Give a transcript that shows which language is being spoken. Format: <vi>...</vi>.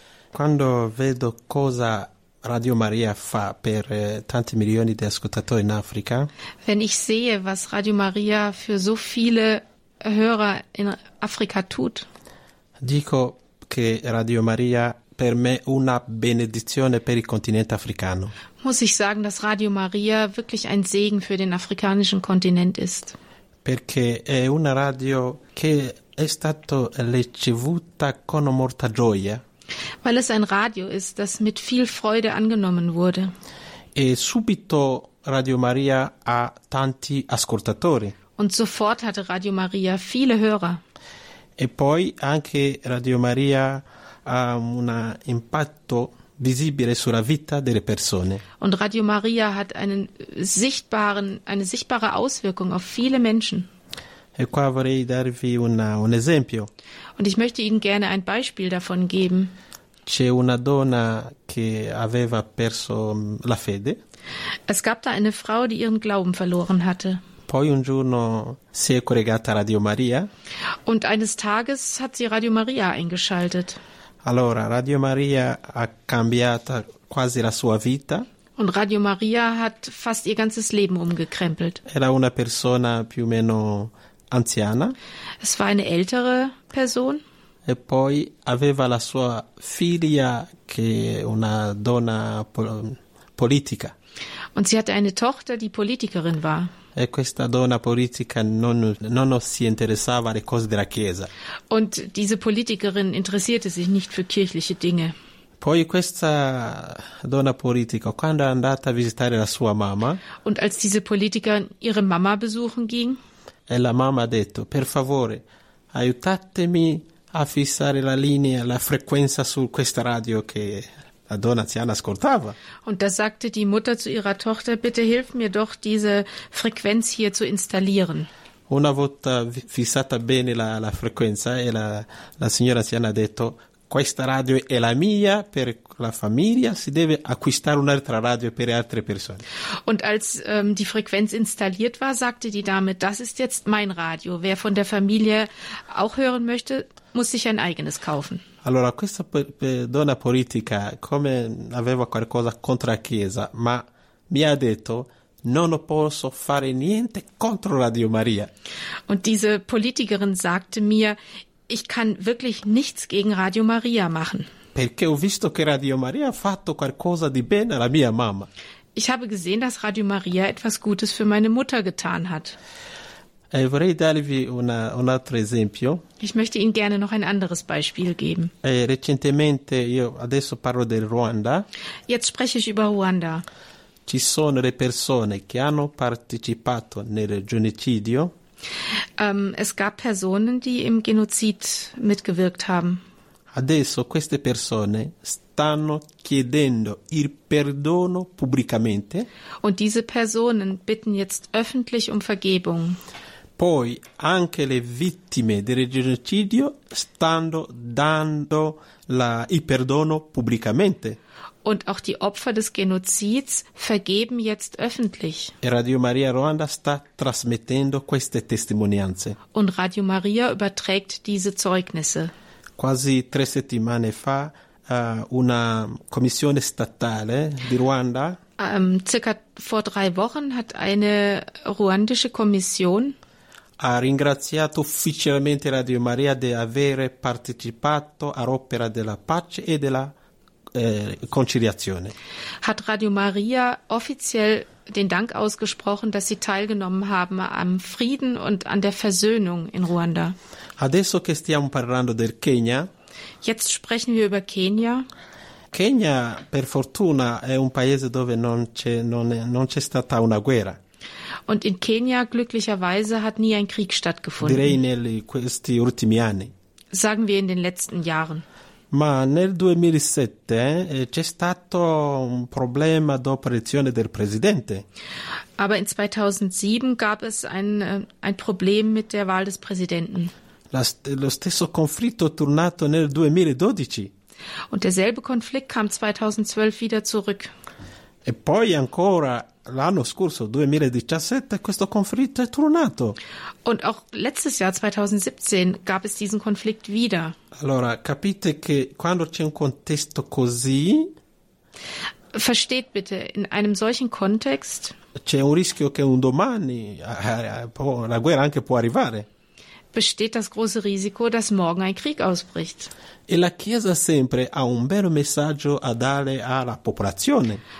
<it>Quando vedo cosa Radio Maria fa per tanti milioni di ascoltatori in Africa.</it> <de>Wenn ich sehe, was Radio Maria für so viele Hörer in Afrika tut.</de> <it>Dico che Radio Maria per me una benedizione per il continente africano.</it> <de>Muss ich sagen, dass Radio Maria wirklich ein Segen für den afrikanischen Kontinent ist.</de> <it>Perché è una radio che è stata ricevuta con molta gioia.</it> <de>Weil es ein Radio ist, das mit viel Freude angenommen wurde.</de> <it>E subito Radio Maria ha tanti ascoltatori.</it> <de>Und sofort hatte Radio Maria viele Hörer.</de> <it>E poi anche Radio Maria ha un impatto visibile sulla vita delle persone.</it> <de>Und Radio Maria hat einen sichtbaren, eine sichtbare Auswirkung auf viele Menschen.</de> <it>E qua vorrei darvi un esempio.</it> <de>Und ich möchte Ihnen gerne ein Beispiel davon geben.</de> <it>C'è una donna che aveva perso la fede.</it> <de>Es gab da eine Frau, die ihren Glauben verloren hatte.</de> <it>Poi un giorno si è collegata a Radio Maria.</it> <de>Und eines Tages hat sie Radio Maria eingeschaltet.</de> <it>Allora, Radio Maria ha cambiato quasi la sua vita.</it> <de>Und Radio Maria hat fast ihr ganzes Leben umgekrempelt.</de> <it>Era una persona più o meno anziana.</it> <de>Es war eine ältere Person.</de> <it>E poi aveva la sua figlia, che una donna politica.</it> <de>Und sie hatte eine Tochter, die Politikerin war.</de> <it>E questa donna politica non si interessava alle cose della Chiesa.</it> <de>Und diese Politikerin interessierte sich nicht für kirchliche Dinge.</de> <it>Poi questa donna politica, quando è andata a visitare la sua mamma.</it> <de>Und als diese Politikerin ihre Mamma besuchen ging.</de> <it>E la mamma ha detto, per favore, aiutatemi a fissare la linea, la frequenza su questa radio che la donna anziana ascoltava.</it> <de>Und da sagte die Mutter zu ihrer Tochter, bitte hilf mir doch, diese Frequenz hier zu installieren.</de> <it>Una volta fissata bene la frequenza, e la signora anziana ha detto, questa radio è la mia, per la famiglia si deve acquistare un'altra radio per altre persone.</it> <de>Und als die Frequenz installiert war, sagte die Dame, das ist jetzt mein Radio, wer von der Familie auch hören möchte, muss sich ein eigenes kaufen.</de> <it>Allora, questa donna politica, come aveva qualcosa contro la Chiesa, ma mi ha detto, non posso fare niente contro Radio Maria.</it> <de>Und diese Politikerin sagte mir, ich kann wirklich nichts gegen Radio Maria machen.</de> <it>Perché ho visto che Radio Maria ha fatto qualcosa di bene alla mia mamma.</it> <de>Ich habe gesehen, dass Radio Maria etwas Gutes für meine Mutter getan hat.</de> <it>E vorrei darvi un altro esempio.</it> <de>Ich möchte Ihnen gerne noch ein anderes Beispiel geben.</de> <it>Recentemente, io adesso parlo del Ruanda.</it> <de>Jetzt spreche ich über Ruanda.</de> <it>Ci sono le persone che hanno partecipato nel genocidio.</it> <de>Es gab Personen, die im Genozid mitgewirkt haben.</de> <it>Adesso queste persone stanno chiedendo il perdono pubblicamente.</it> <de>Und diese Personen bitten jetzt öffentlich um Vergebung.</de> <it>Poi anche le vittime del genocidio stanno dando il perdono pubblicamente.</it> <de>Und auch die Opfer des Genozids vergeben jetzt öffentlich.</de> <it>Radio Maria Ruanda sta trasmettendo queste testimonianze.</it> <de>Und Radio Maria überträgt diese Zeugnisse.</de> <it>Quasi tre settimane fa, una commissione statale di Ruanda.</it> <de>Circa vor drei Wochen hat eine ruandische Kommission.</de> <it>Ha ringraziato ufficialmente Radio Maria di aver partecipato all'opera della pace e della conciliazione.</it> <de>Hat Radio Maria offiziell den Dank ausgesprochen, dass sie teilgenommen haben am Frieden und an der Versöhnung in Ruanda.</de> <it>Adesso che stiamo parlando del Kenya.</it> <de>Jetzt sprechen wir über Kenia.</de> <it>Kenya, per fortuna, è un paese dove non c'è stata una guerra.</it> <de>Und in Kenia, glücklicherweise, hat nie ein Krieg stattgefunden.</de> <it>Direi negli questi ultimi anni.</it> <de>Sagen wir in den letzten Jahren.</de> <it>Ma nel 2007 c'è stato un problema dopo l'elezione del presidente.</it> <de>Aber in 2007 gab es ein Problem mit der Wahl des Präsidenten.</de> <it>Lo stesso conflitto è tornato nel 2012.</it> <de>Und derselbe Konflikt kam 2012 wieder zurück.</de> <it>E poi ancora l'anno scorso, 2017, questo conflitto è tornato.</it> <de>Und auch letztes Jahr, 2017, gab es diesen Konflikt wieder.</de> <it>Allora, capite che quando c'è un contesto così.</it> <de>Versteht bitte, in einem solchen Kontext.</de> <it>C'è un rischio che un domani la guerra anche può arrivare.</it> <de>besteht das große Risiko, dass morgen ein Krieg ausbricht.</de> <it>E la Chiesa sempre ha un bel messaggio a dare alla popolazione.</it>